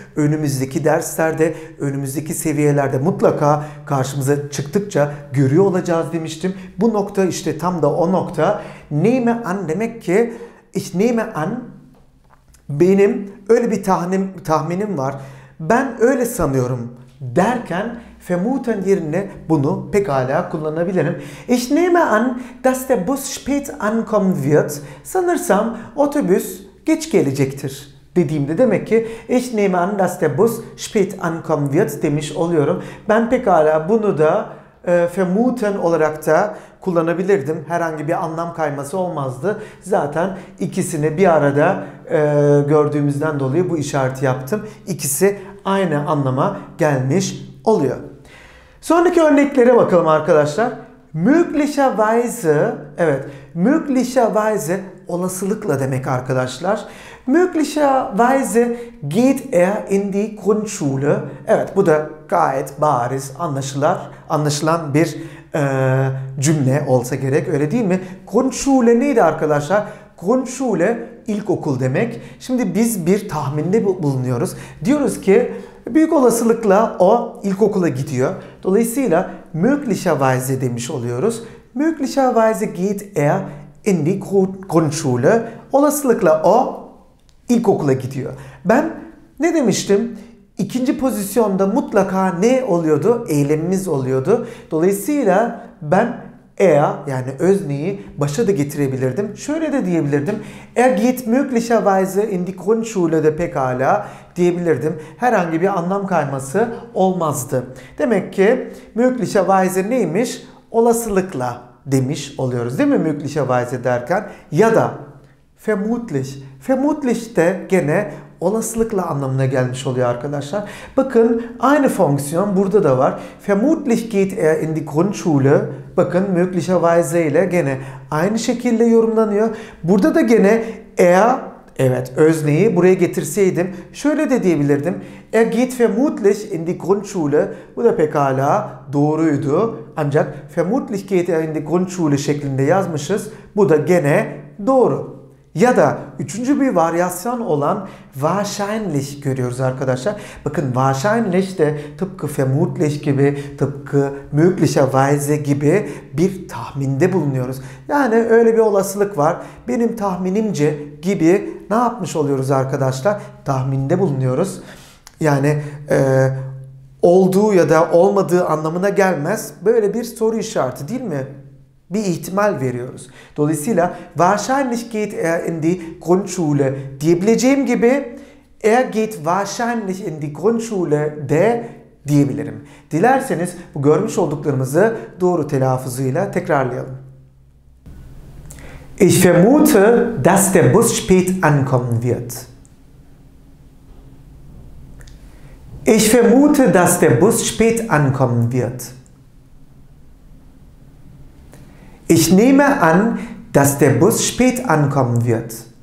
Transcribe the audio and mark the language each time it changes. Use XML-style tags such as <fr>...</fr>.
<tr>Önümüzdeki derslerde, önümüzdeki seviyelerde mutlaka karşımıza çıktıkça görüyor olacağız demiştim. Bu nokta işte tam da o nokta. Nehme an demek ki</tr> <de>ich nehme an,</de> <tr>benim öyle bir tahminim var, ben öyle sanıyorum derken vermuten yerine bunu pekala kullanabilirim.</tr> <de>Ich nehme an, dass der Bus spät ankommen wird.</de> <tr>Sanırsam otobüs geç gelecektir dediğimde demek ki</tr> <de>ich nehme an, dass der Bus spät ankommen wird</de> <tr>demiş oluyorum. Ben pekala bunu da vermuten olarak da kullanabilirdim. Herhangi bir anlam kayması olmazdı. Zaten ikisini bir arada gördüğümüzden dolayı bu işareti yaptım. İkisi aynı anlama gelmiş oluyor. Sonraki örneklere bakalım arkadaşlar. Möglicherweise, evet, möglicherweise olasılıkla demek arkadaşlar.</tr> <de>Möglicherweise geht er in die Grundschule.</de> <tr>Evet, bu da gayet bariz, anlaşılan bir cümle olsa gerek, öyle değil mi? Grundschule neydi arkadaşlar? Grundschule ilkokul demek. Şimdi biz bir tahminde bulunuyoruz. Diyoruz ki büyük olasılıkla o ilkokula gidiyor. Dolayısıyla möglicherweise demiş oluyoruz.</tr> <de>Möglicherweise geht er in die Grundschule.</de> <tr>Olasılıkla o ilkokula gidiyor. Ben ne demiştim? İkinci pozisyonda mutlaka ne oluyordu? Eylemimiz oluyordu. Dolayısıyla ben er, yani özneyi başa da getirebilirdim. Şöyle de diyebilirdim.</tr> <de>Er geht möglicherweise in die Grundschule</de> <tr>de pekala diyebilirdim. Herhangi bir anlam kayması olmazdı. Demek ki möglicherweise neymiş? Olasılıkla demiş oluyoruz değil mi möglicherweise derken? Ya da vermutlich. Vermutlich de gene olasılıkla anlamına gelmiş oluyor arkadaşlar. Bakın aynı fonksiyon burada da var.</tr> <de>Vermutlich geht er in die Grundschule.</de> <tr>Bakın möglicherweise ile gene aynı şekilde yorumlanıyor. Burada da gene er, evet, özneyi buraya getirseydim şöyle de diyebilirdim.</tr> <de>Er geht vermutlich in die Grundschule.</de> <tr>Bu da pekala doğruydu. Ancak</tr> <de>vermutlich geht er in die Grundschule</de> <tr>şeklinde yazmışız. Bu da gene doğru. Ya da üçüncü bir varyasyon olan wahrscheinlich görüyoruz arkadaşlar. Bakın wahrscheinlich de tıpkı vermutlich gibi, tıpkı möglicherweise gibi bir tahminde bulunuyoruz. Yani öyle bir olasılık var. Benim tahminimce gibi ne yapmış oluyoruz arkadaşlar? Tahminde bulunuyoruz. Yani olduğu ya da olmadığı anlamına gelmez. Böyle bir soru işareti değil mi? Bir ihtimal veriyoruz.</tr> <de>Dolayısıyla wahrscheinlich geht er in die Grundschule</de> <tr>diyebileceğim gibi</tr> <de>Er geht wahrscheinlich in die Grundschule</de> <tr>de diyebilirim. Dilerseniz bu görmüş olduklarımızı doğru telaffuzuyla tekrarlayalım.</tr> <de>Ich vermute, dass der Bus spät ankommen wird. Ich vermute, dass der Bus spät ankommen wird. Ich nehme an, dass der Bus spät ankommen wird.</de>